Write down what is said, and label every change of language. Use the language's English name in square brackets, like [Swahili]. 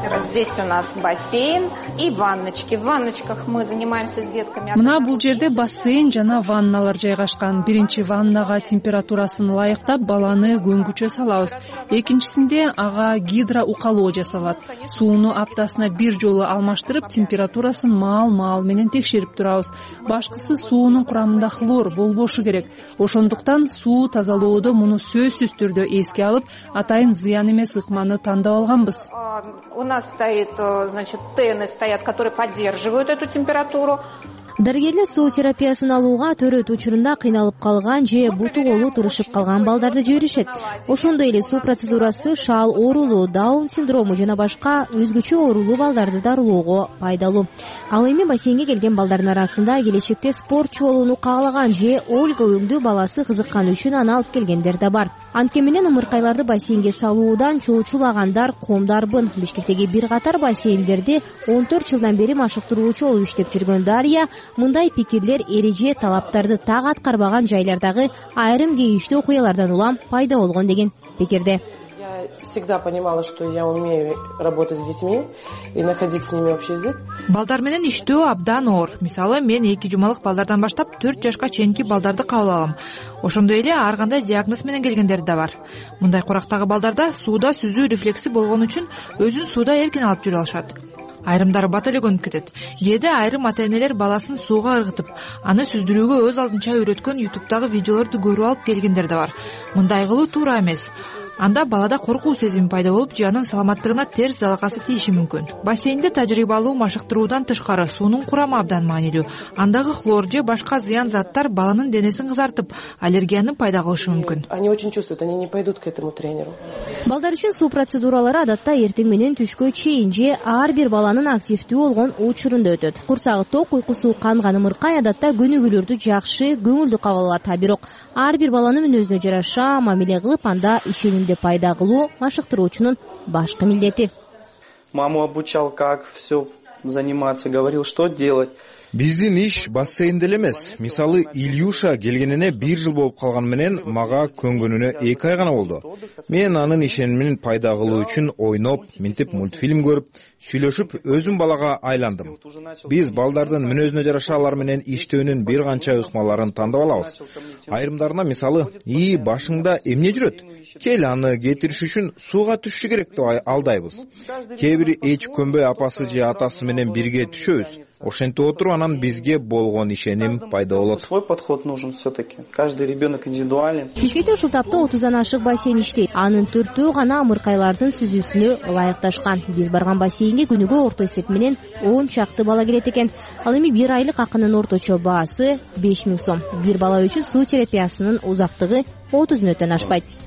[Russian] Здесь у нас бассейн и ванночки. В ванночках мы занимаемся с детками. [Kyrgyz] Мына бул жерде бассейн жана ванналар жайгашкан. Биринчи ваннага температурасын ылайыктап, баланы көнгүчө салабыз. Экинчисинде ага гидроукалоо жасалат. Сууну аптасына бир жолу алмаштырып, температурасын маал-маал менен текшерип турабыз. Башкысы суунун курамында хлор болбошу керек. Ошондуктан суу тазалоодо муну сөзсүз түрдө эске алып, атайын зыян эмес ыкманы тандап алганбыз. [Russian] Стоит, значит, тены стоят, которые поддерживают эту температуру. [Kyrgyz] Дарыгерлер суу терапиясын алууга төрөт учурунда кыйналып калган же буту колу тырышып калган балдарды жиберишет. Ошондой эле суу процедурасы шал оорулуу, даун синдрому жана башка өзгөчө оорулуу балдарды дарылоого пайдалуу. Ал эми бассейнге келген балдардын арасында келечекте спортчу болууну каалаган же Ольга өңдүү баласы кызыкканы үчүн аны алып келгендер да бар. Анткени менен ымыркайларды бассейнге салуудан чоочулагандар коомдарбын. Бишкектеги бир катар бассейндерди 14 жылдан бери машыктыруучу болуп иштеп жүргөн Дарья мындай пикирлер эреже талаптарды так аткарбаган жайлардагы айрым кейиштүү окуялардан улам пайда болгон деген пикирде. [Russian] Я всегда понимала, что я умею работать с детьми и находить с ними общий язык. [Kyrgyz] Балдар менен иштөө абдан оор. Мисалы, мен 2 жумалык балдардан баштап 4 жашка чейинки балдарды кабыл алам. Ошондой эле ар кандай диагноз менен келгендер да бар. Мындай курактагы балдарда сууда сүзүү рефлекси болгон үчүн өзүн сууда эркин алып жүрө алышат. Айрымдар бат эле көнүп кетет. Кээде айрым ата-энелер баласын сууга ыргытып, аны сүздүрүүгө өз алдынча үйрөткөн YouTube-дагы видеолорду көрүп алып келгендер да бар. Мындай кылуу туура эмес. Анда балада коркуу сезими пайда болуп, жанын саламаттыгына терс залакасы тийиши мүмкүн. Бассейнде тажрыйбалуу машыктыруудан тышкары суунун курамы абдан маанилүү. Андагы хлор же башка зыян заттар баланын денесин кызартып, аллергияны пайда кылышы мүмкүн. [Russian] Они очень чувствуют, они не пойдут к этому тренеру. [Kyrgyz] Балдар үчүн суу процедуралары адатта эртең менен түшкө чейин же ар бир баланын активдүү болгон учурунда өтөт. Курсагы ток, уйкусу канган ымыркай адатта көнүгүүлөрдү жакшы, көңүлдүү кабыл алат. Бирок ар бир баланын мүнөзүнө жараша мамиле кылып, анда иши инде пайда кылуу машыктыруучунун башкы милдети. [Russian] Маму обучал, как всё заниматься, говорил, что делать. [Kyrgyz] Биздин иш бассейнде эле эмес. Мисалы, Ильюша келгенине 1 жыл болуп калган менен мага көнгөнүнө 2 ай гана болду. Мен анын ишенимин пайда кылуу үчүн ойноп, минтип мультфильм көрүп, сүйлөшүп өзүм балага айландым. Биз балдардын мүнөзүнө жараша алар менен иштөөнүн бир канча ыкмаларын тандап алабыз. Айрымдарына мисалы, ии башыңда эмне жүрөт? Кел аны кетириш үчүн сууга түшүшү керек деп алдайбыз. Кээ бир эч көмбөй апасы же атасы менен бирге түшөбүз. Ошентип отуруп анан бизге болгон ишеним пайда болот. [Russian] Свой подход нужен все-таки. Каждый ребенок индивидуален. [Kyrgyz] Бишкекте ушул тапта 30 ашык бассейн иштейт. Анын 4 гана ымыркайлардын сүзүүсүнө ылайыкташкан. Биз барган бассейнге күнүгө орто эсеп менен 10 чакты бала келет экен. Ал эми бир айлык акынын орточо баасы 5000 сом. Бир бала үчүн суу терапиясынын узактыгы 30 мүнөттөн ашпайт.